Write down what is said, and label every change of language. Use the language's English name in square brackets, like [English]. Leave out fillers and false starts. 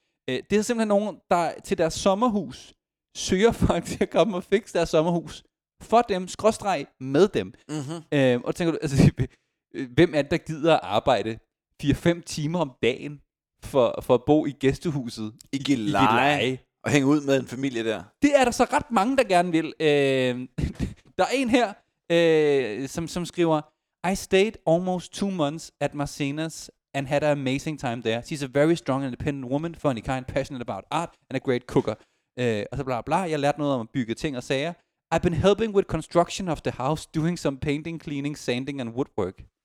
[Danish] Det er simpelthen nogen, der til deres sommerhus søger folk til at komme og fikse deres sommerhus for dem, skråstreg med dem. Mm-hmm. Og tænker du, altså, hvem er det, der gider at arbejde 4-5 timer om dagen for at bo i gæstehuset? Ikke i Gilleleje. Og hænge ud med en familie der. Det er der så ret mange, der gerne vil. Der er en her, som skriver, [English] I stayed almost 2 months at Marcena's and had an amazing time there. She's a very strong and independent woman, funny kind, passionate about art, and a great cooker. [Danish] Og så bla bla, jeg lærte noget om at bygge ting og sager. [English] I've been helping with construction of the house, doing some painting, cleaning, sanding and woodwork.